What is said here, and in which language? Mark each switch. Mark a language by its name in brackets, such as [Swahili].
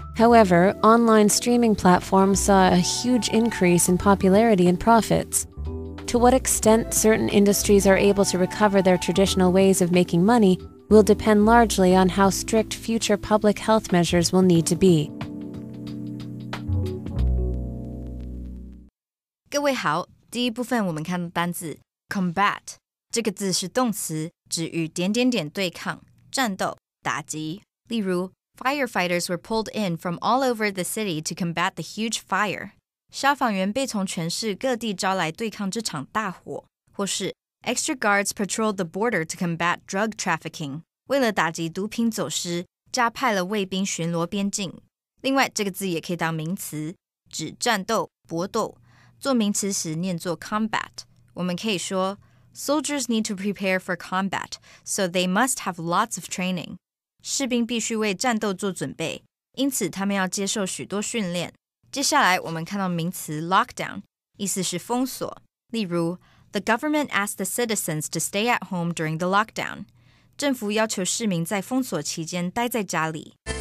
[English] However, online streaming platforms saw a huge increase in popularity and profits. To what extent certain industries are able to recover their traditional ways of making money will depend largely on how strict future public health measures will need to be. [Chinese] 各位好，第一部分我们看单字 combat， 这个字是动词，指与点点点对抗、战斗。打击。例如 [English] ,firefighters were pulled in from all over the city to combat the huge fire. [Chinese] 消防员被从全市各地招来对抗这场大火。或是 [English] ,extra guards patrolled the border to combat drug trafficking. [Chinese] 为了打击毒品走私加派了卫兵巡逻边境。另外这个字也可以当名词指战斗搏斗。做名词时念作 combat。我们可以说 [English] ,soldiers need to prepare for combat, so they must have lots of training. [Chinese] 士兵必须为战斗做准备，因此他们要接受许多训练。接下来我们看到名词 lockdown， 意思是封锁。例如 [English] ，The government asked the citizens to stay at home during the lockdown。 [Chinese] 政府要求市民在封锁期间待在家里。